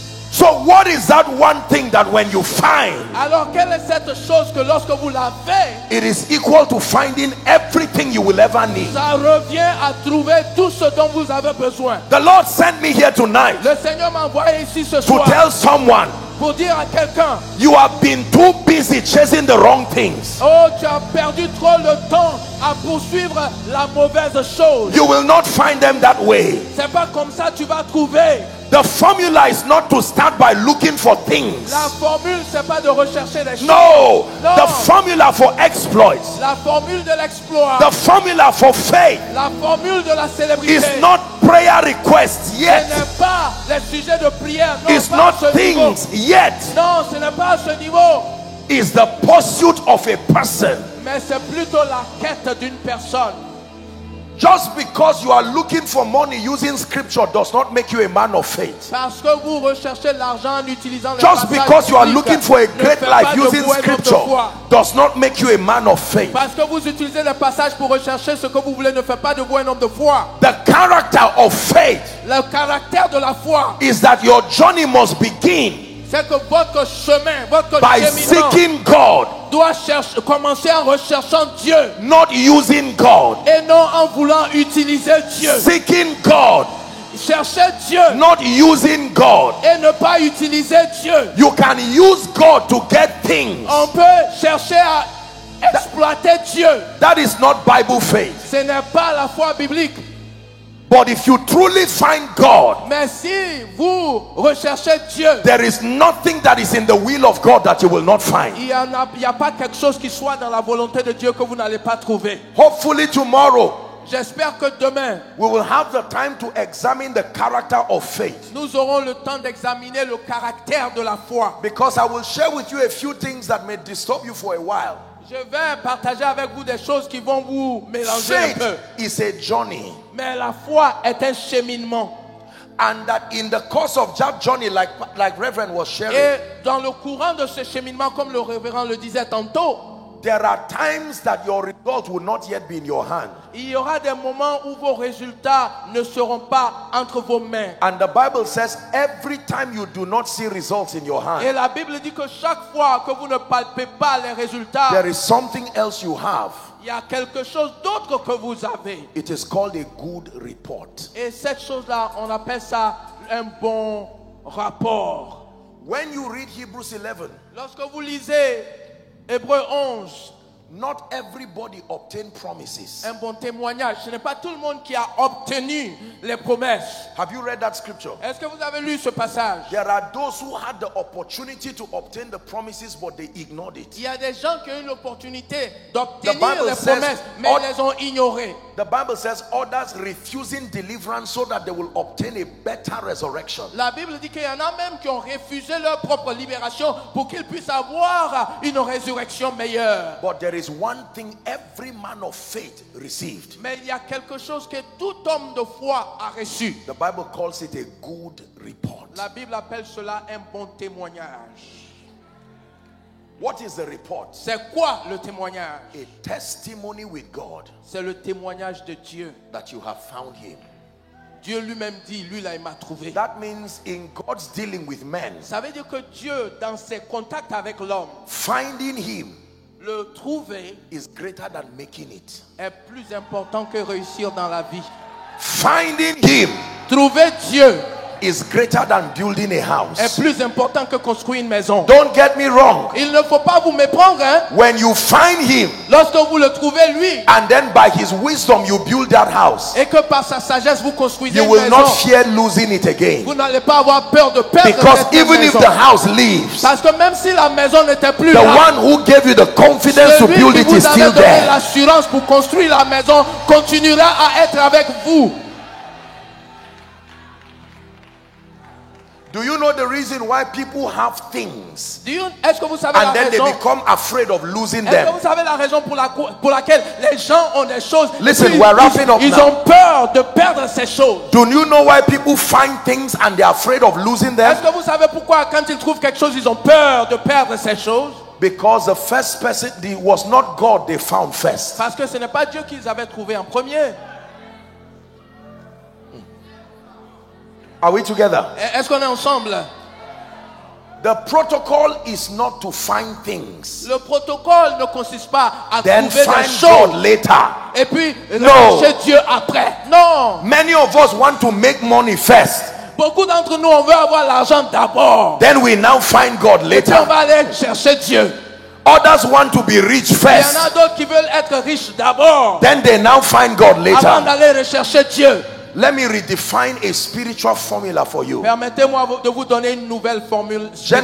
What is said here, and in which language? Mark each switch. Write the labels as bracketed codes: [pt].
[en] So what is that one thing that when you find, [fr] alors, quelle est cette chose que lorsque vous l'avez, [en] it is equal to finding everything you will ever need. [fr] Ça revient à trouver tout ce dont vous avez besoin. [en] The Lord sent me here tonight, [fr] le Seigneur m'a envoyé ici ce [en] to [fr] soir, [en] tell someone, [fr] pour dire à quelqu'un, [en] you have been too busy chasing the wrong things. [fr] Oh, tu as perdu trop le temps à poursuivre la mauvaise chose. [en] You will not find them that way. [fr] C'est pas comme ça tu vas trouver. [en] The formula is not to start by looking for things. [fr] La formule, c'est pas de rechercher des choses. [en] No, the formula for exploits. [fr] La formule de l'exploit. [en] The formula for faith. [fr] La formule de la célébrité. [en] Is not prayer requests yet. [fr] Ce n'est pas les sujets de prière. Non, [en] it's not things [fr] niveau. [en] Yet. [fr] Non, ce n'est pas ce niveau. [en] Is the pursuit of a person. [fr] Mais c'est plutôt la quête d'une personne. [en] Just because you are looking for money using scripture does not make you a man of faith. [fr] Parce que vous recherchez l'argent en utilisant les [en] just because you are looking for a great life using scripture does not make you a man of faith. [fr] Parce que vous utilisez les passages pour rechercher ce que vous voulez ne fait pas de vous un homme de foi. [en] The character of faith, [fr] le caractère de la foi, [en] is that your journey must begin. [fr] C'est que votre chemin, votre [en] by seeking God, [fr] doit chercher, commencer en recherchant Dieu, [en] not using God, [fr] et non en voulant utiliser Dieu. [en] Seeking God, [fr] chercher Dieu, [en] not using God, [fr] et ne pas utiliser Dieu. [en] You can use God to get things. [fr] On peut chercher à exploiter [en] that, [fr] Dieu. [en] That is not Bible faith. [fr] Ce n'est pas la foi biblique. [en] But if you truly find God, [fr] mais si vous recherchez Dieu, [en] there is nothing that is in the will of God that you will not find. [fr] Il n'y a pas quelque chose qui soit dans la volonté de Dieu que vous n'allez pas trouver. [en] Hopefully tomorrow, [fr] j'espère que demain, [en] we will have the time to examine the character of faith. [fr] Nous aurons le temps d'examiner le caractère de la foi. [en] Because I will share with you a few things that may disturb you for a while. [fr] Je vais partager avec vous des choses qui vont vous mélanger [en] faith [fr] un peu. [en] Faith is a journey. [fr] Mais la foi est un cheminement. [en] And that in the course of that journey, like Reverend was sharing, [fr] et dans le courant de ce cheminement, comme le révérend le disait tantôt, [en] there are times that your result will not yet be in your hand. [fr] Il y aura des moments où vos résultats ne seront pas entre vos mains. [en] And the Bible says every time you do not see results in your hand, [fr] et la Bible dit que chaque fois que vous ne palpez pas les résultats, [en] there is something else you have. [fr] Il y a quelque chose d'autre que vous avez. [en] It is called a good report. [fr] Et cette chose-là, on appelle ça un bon rapport. [en] When you read Hebrews 11, [fr] lorsque vous lisez Hébreux 11, [en] not everybody obtained promises. [fr] Un bon témoignage. Ce n'est pas tout le monde qui a obtenu les promesses. [en] Have you read that scripture? [fr] Est-ce que vous avez lu ce passage? [en] There are those who had the opportunity to obtain the promises, but they ignored it. [fr] Il y a des gens qui ont eu l'opportunité d'obtenir les promesses, mais ils les ont ignorées. [en] The Bible says others refusing deliverance so that they will obtain a better resurrection. [fr] La Bible dit qu'il y en a même qui ont refusé leur propre libération pour qu'ils puissent avoir une résurrection meilleure. [en] But there is one thing every man of faith received. [fr] Mais il y a quelque chose que tout homme de foi a reçu. [en] The Bible calls it a good report. [fr] La Bible appelle cela un bon témoignage. [en] What is the report? [fr] C'est quoi le témoignage? [en] A testimony with God. [fr] C'est le témoignage de Dieu. [en] That you have found him. [fr] Dieu lui-même dit, lui là, il m'a trouvé. [en] That means in God's dealing with men. [fr] Ça veut dire que Dieu, dans ses contacts avec l'homme, [en] finding him, [fr] le trouver, [en] is greater than making it. [fr] Est plus important que réussir dans la vie. [en] Finding him, [fr] trouver Dieu, [en] is greater than building a house. [fr] Est plus important que construire une maison. [en] Don't get me wrong. [fr] Il ne faut pas vous méprendre, hein? [en] When you find him, [fr] lorsque vous le trouvez lui, [en] and then by his wisdom you build that house, [fr] et que par sa sagesse vous construisez [en] you [fr] une [en] will [fr] maison, [en] not fear losing it again. [fr] Vous n'allez pas avoir peur de perdre [en] because [fr] cette [en] even [fr] maison. [en] If the house leaves, [fr] parce que même si la maison n'était plus [en] the [fr] là, [en] one who gave you the confidence to build it is still there. [fr] Celui qui vous avait donné l'assurance pour construire la maison continuera à être avec vous. [en] Do you know the reason why people have things? [fr] Est-ce que vous savez [en] and then [fr] raison? [en] They become afraid of losing [fr] est-ce [en] them? [fr] Que vous savez la raison pour laquelle les gens ont des choses? [en] Listen, we're wrapping up [fr] ils [en] now. [fr] Ont peur de perdre ces choses. [en] Do you know why people find things and they're afraid of losing them? [fr] Est-ce que vous savez pourquoi quand ils trouvent quelque chose ils ont peur de perdre ces choses? [en] Because the first person was not God they found first. [fr] Parce que ce n'est pas Dieu qu'ils avaient trouvé en premier. [en] Are we together? [fr] Est-ce qu'on est ensemble? [en] The protocol is not to find things. [fr] Le protocole ne consiste pas à [en] then [fr] trouver [en] find [fr] des choses. [en] God later. [fr] Et puis chercher Dieu après. Non. [en] Many of us want to make money first. [fr] Beaucoup d'entre nous on veut avoir l'argent d'abord. [en] Then we now find God later. [fr] Et puis on va aller chercher Dieu. [en] Others want to be rich first. [fr] Il y en a d'autres qui veulent être riches d'abord. [en] Then they now find God later. [fr] Avant d'aller rechercher Dieu. [en] Let me redefine a spiritual formula for you. [fr] Permettez-moi de vous donner une nouvelle formule spirituelle.